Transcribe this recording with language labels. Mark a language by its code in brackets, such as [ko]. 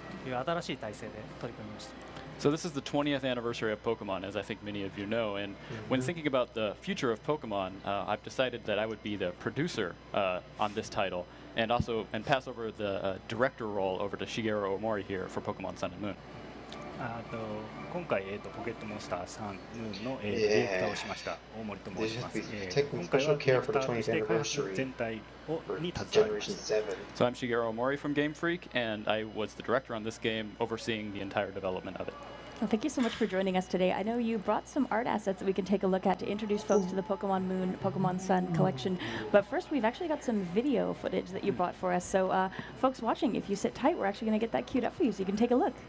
[ja] まあ、2人ともポケモンの開発に関わってすごく歴史は長いんですけれども、今回のポケモンサンとポケモンムーンでの役割について教えてもらえますか。そうですね。今年ポケモンが20周年ということで、ここから先のポケモンを未来に向けてのポケモンということで、私はプロデュースに徹して、今回、シゲル・オモリがディレクターという新しい体制で取り組みました。 [en] So this is the 20th anniversary of Pokemon, as I think many of you know, and when thinking about the future of Pokemon, I've decided that I would be the producer on this title, and also and pass over the director role over to Shigeru Omori here for Pokemon Sun and Moon. [ja] 今回ポケットモンスターサンムーンのディレクターをしました大森と申します。今回は全体に携わりました。So [en] I'm Shigeru Omori from Game Freak, and I was the director on this game, overseeing the entire development of it. Well, thank you so much for joining us today. I know you brought some art assets that we can take a look at to introduce folks to the Pokemon Moon, Pokemon Sun collection. But first, we've actually got some video footage that you brought for us. So folks watching, if you sit tight, we're actually going to get that queued up for you so you can take a look.